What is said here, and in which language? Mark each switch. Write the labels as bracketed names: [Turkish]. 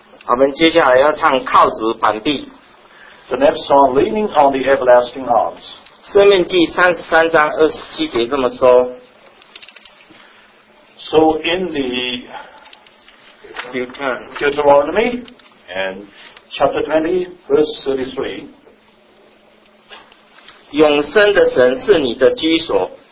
[Chinese] 我们接下来要唱靠主磐庇。 [English] The next song, Leaning on the Everlasting Arms. [Chinese] 生命记三十三章二十七节这么说。 [English] So in the Deuteronomy and chapter 20, verse 33. [Chinese] 永生的神是你的居所